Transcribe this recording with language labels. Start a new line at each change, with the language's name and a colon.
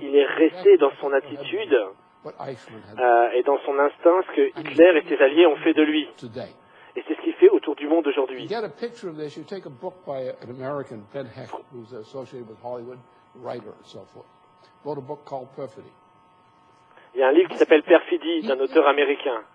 French: Il est resté dans son attitude et dans son instinct ce que Hitler et ses alliés ont fait de lui. Et c'est ce qu'il fait autour du monde aujourd'hui.
English: You get a picture of this. You take a book by an American, Ben Heck, who's associated with Hollywood, writer and so forth. Wrote a book called Perfidy.
French: Il y a un livre qui s'appelle Perfidy, d'un auteur américain.